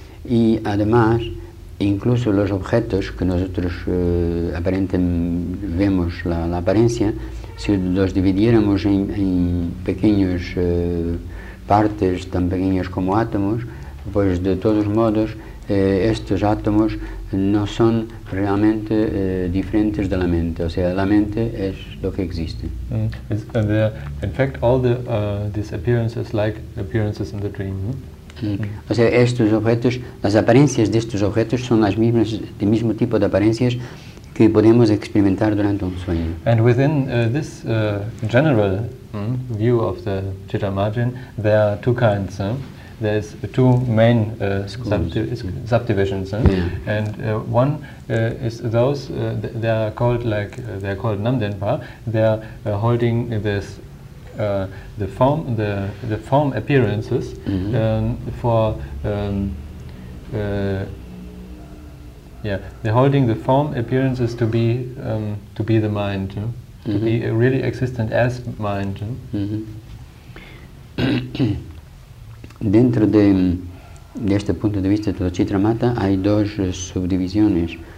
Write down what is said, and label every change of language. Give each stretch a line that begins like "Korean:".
Spanish: Y además, incluso los objetos que nosotros aparentemente vemos la apariencia, si los dividiéramos en pequeñas partes, tan pequeñas como átomos, pues de todos modos estos átomos no son realmente diferentes de la mente. O sea, la mente es lo que existe.
English: In fact, all the these appearances like appearances in the dream.
Spanish: O sea, estos objetos, las apariencias de estos objetos son las mismas, del mismo tipo de apariencias que podemos experimentar durante un sueño.
English: And within this general view of the Chittamajan, there are two kinds. There's two main subdivisions. And one is those they are called like they're called Namdenpa. They are holding this the form appearances for they're holding the form appearances to be the mind, to be really existent as mind.
Spanish: Dentro de Desde el punto de vista de los Chitramata, hay dos subdivisiones.